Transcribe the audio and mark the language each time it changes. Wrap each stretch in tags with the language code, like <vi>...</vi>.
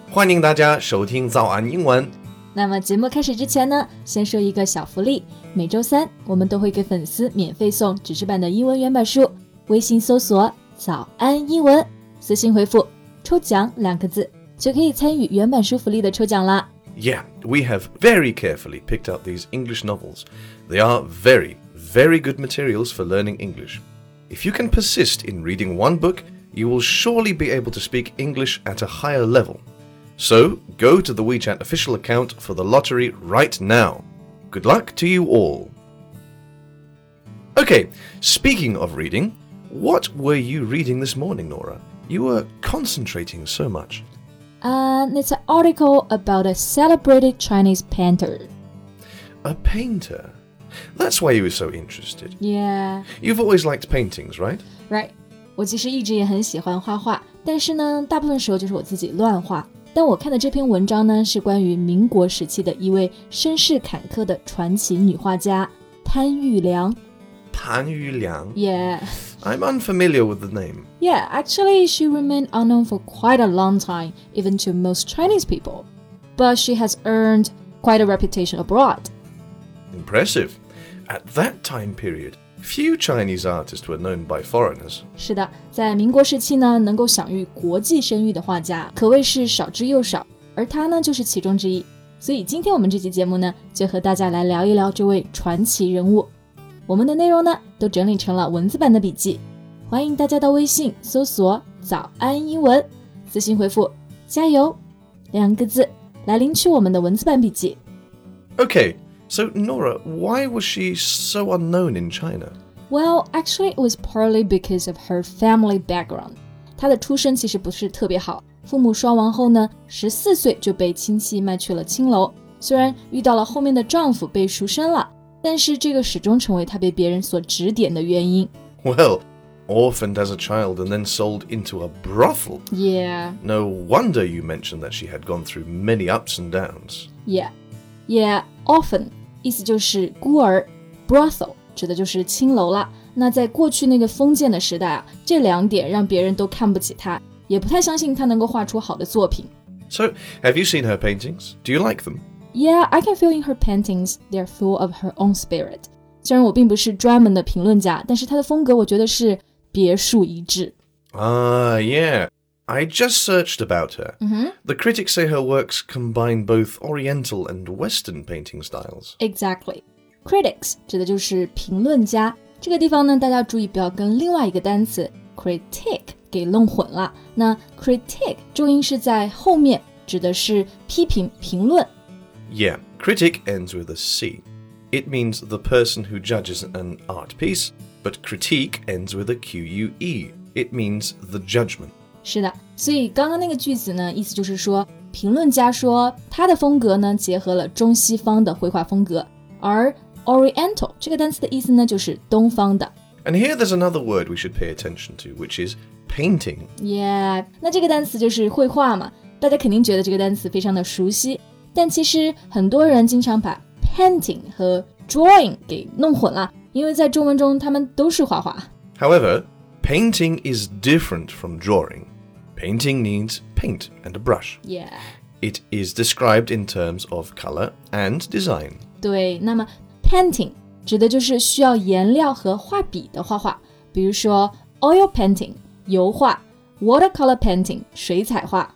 <zh>欢迎大家收听早安英文。那么节目开始之前呢，先说一个小福利。每周三，我们都会给粉丝免费送纸质版的英文原版书。微信搜索早安英文，私信回复抽奖两个字，就可以参与原版书福利的抽奖啦。</zh> <en>Yeah, we have very carefully picked out these English novels. They are very, very good materials for learning English. If you can persist in reading one book, you will surely be able to speak English at a higher level. So, go to the WeChat official account for the lottery right now. Good luck to you all. Okay, speaking of reading, what were you reading this morning, Nora? You were concentrating so much. And it's an article about a celebrated Chinese painter. A painter? That's why you were so interested. Yeah. You've always liked paintings, right? Right.</en> <zh>我其实一直也很喜欢画画，但是呢，大部分时候就是我自己乱画。但我看的这篇文章呢，是关于民国时期的一位身世坎坷的传奇女画家，潘玉良。潘玉良?</zh> <en>Yeah. I'm unfamiliar with the name. Yeah, actually, she remained unknown for quite a long time, even to most Chinese people. But she has earned quite a reputation abroad. Impressive. At that time period, few Chinese artists were known by foreigners.</en> <zh>是的，在民国时期呢，能够享誉国际声誉的画家可谓是少之又少，而她呢，就是其中之一。所以今天我们这期节目呢，就和大家来聊一聊这位传奇人物。我们的内容呢都整理成了文字版的笔记，欢迎大家到微信搜索早安英文，私信回复加油两个字来领取我们的文字版笔记。</zh> <en>Okay, so Nora, why was she so unknown in China? Well, actually it was partly because of her family background.</en> <zh>她的出身其实不是特别好，父母双亡后呢，14岁就被亲戚卖去了青楼，虽然遇到了后面的丈夫被赎身了，但是这个始终成为他被别人所指点的原因。</zh> <en>Well, orphaned as a child and then sold into a brothel. Yeah. No wonder you mentioned that she had gone through many ups and downs. Yeah.</en> <zh>Yeah, orphan, 意思就是孤儿。Brothel, 指的就是青楼了。那在过去那个封建的时代啊，这两点让别人都看不起她，也不太相信她能够画出好的作品。</zh> <en>So, have you seen her paintings? Do you like them? Yeah, I can feel in her paintings, they're full of her own spirit.</en> <zh>虽然我并不是专门的评论家，但是她的风格我觉得是别树一帜。</zh> <en>Yeah. I just searched about her. The critics say her works combine both Oriental and Western painting styles. Exactly.</en> <zh>Critics 指的就是评论家。这个地方呢，大家注意不要跟另外一个单词 critic 给弄混了。那 critic 重音是在后面，指的是批评、评论。</zh> <en>Yeah, critic ends with a C. It means the person who judges an art piece, but critique ends with a Q-U-E. It means the judgment.</en> <zh>是的，所以刚刚那个句子呢，意思就是说，评论家说他的风格呢，结合了中西方的绘画风格，而 Oriental 这个单词的意思呢，就是东方的。</zh> <en>And here there's another word we should pay attention to, which is painting.</en> <zh>Yeah, 那这个单词就是绘画嘛，大家肯定觉得这个单词非常的熟悉。但其实很多人经常把 painting 和 drawing 给弄混了，因为在中文中他们都是画画。</zh> <en>However, painting is different from drawing. Painting needs paint and a brush. Yeah. It is described in terms of color and design.</en> <zh>对，那么 painting 指的就是需要颜料和画笔的画画，比如说 oil painting 油画， watercolor painting 水彩画。</zh>